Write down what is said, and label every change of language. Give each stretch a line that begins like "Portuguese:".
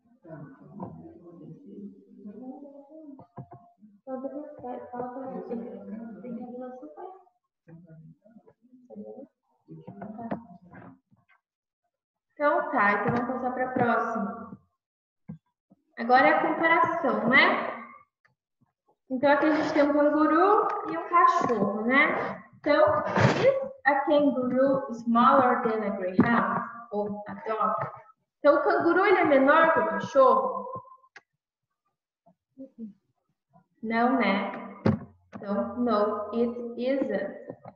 Portuguese: Então tá, então vamos passar para a próxima. Agora é a comparação, né? Então aqui a gente tem um canguru e um cachorro, né? Então,
English: is a kangaroo smaller than a greyhound?
Portuguese: Ou
English: a dog?
Portuguese: Então o canguru ele é menor que o cachorro? Não, né? Então,
English: no, it isn't.